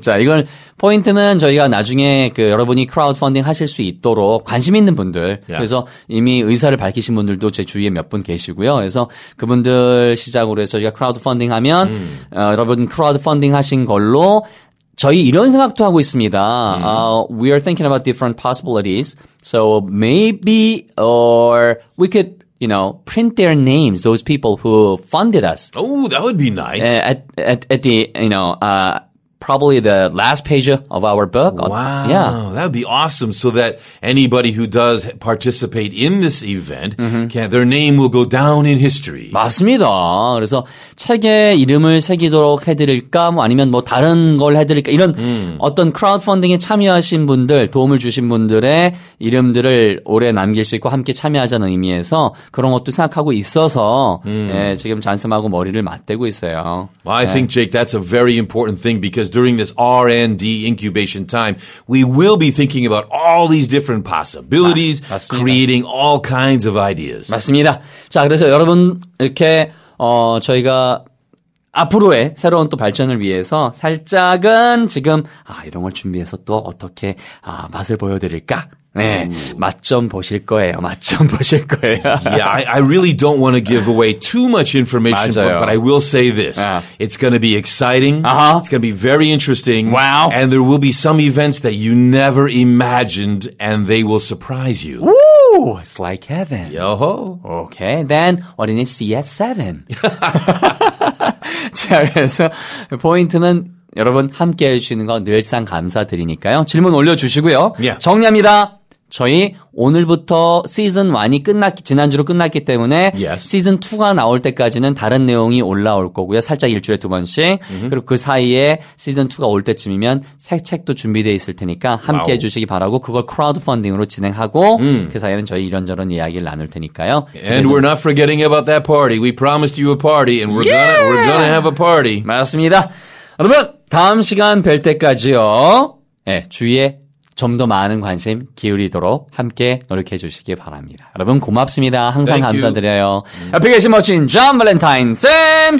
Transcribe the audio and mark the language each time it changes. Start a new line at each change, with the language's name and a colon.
Korean: 자, 이건 포인트는 저희가 나중에 그 여러분이 크라우드펀딩 하실 수 있도록 관심 있는 분들.
English: Yeah.
Korean: 그래서 이미 의사를 밝히신 분들도 제 주위에 몇 분 계시고요. 그래서 그분들 시작으로 해서 저희가 크라우드펀딩 하면 여러분 크라우드펀딩 하신 걸로 저희 이런 생각도 하고 있습니다.
English: We are thinking about different possibilities. So maybe or we could you know, print their names, those people who funded us. Oh, that would be nice. At the, you know, probably the last page of our book. Wow. Yeah. That would be awesome. So that anybody who does participate in this event, their name will go down in history.
Korean: 맞습니다. 그래서 책에 이름을 새기도록 해드릴까, 뭐 아니면 뭐 다른 걸 해드릴까, 이런 어떤 크라우드펀딩에 참여하신 분들, 도움을 주신 분들의 이름들을 오래 남길 수 있고 함께 참여하자는 의미에서 그런 것도 생각하고 있어서 예, 지금 잔슴하고 머리를 맞대고 있어요.
English: Well, I think, Jake, that's a very important thing because during this R&D incubation time, we will be thinking about all these different possibilities, creating all kinds of ideas.
Korean: 맞습니다. 자, 그래서 여러분 이렇게 저희가 앞으로의 새로운 또 발전을 위해서 살짝은 지금 이런 걸 준비해서 또 어떻게 맛을 보여드릴까? 네, 맛점 보실 거예요. 맛점 보실 거예요.
English: Yeah, I really don't want to give away too much information, but I will say this. Yeah. It's going to be exciting. Uh-huh. It's going to be very interesting. Wow. And there will be some events that you never imagined, and they will surprise you. Ooh, it's like heaven. Yo-ho. Okay, then what did you see at 7?
Korean: 자, 그래서 포인트는 여러분 함께해 주시는 거 늘상 감사드리니까요. 질문 올려주시고요.
English: Yeah.
Korean: 정리합니다. 저희 오늘부터 시즌 1이 끝났기 지난주로 끝났기 때문에
English: yes.
Korean: 시즌 2가 나올 때까지는 다른 내용이 올라올 거고요. 살짝 일주일에 두 번씩. Mm-hmm. 그리고 그 사이에 시즌 2가 올 때쯤이면 새 책도 준비되어 있을 테니까 함께해
English: wow.
Korean: 주시기 바라고 그걸 크라우드펀딩으로 진행하고 그 사이에는 저희 이런저런 이야기를 나눌 테니까요.
English: And we're not forgetting about that party. We promised you a party and we're gonna have a party.
Korean: 맞습니다. 여러분 다음 시간 뵐 때까지요. 네, 주위에 좀 더 많은 관심 기울이도록 함께 노력해 주시기 바랍니다. 여러분 고맙습니다. 항상
English: Thank
Korean: 감사드려요. 옆에 계신 멋진 존 발렌타인 쌤!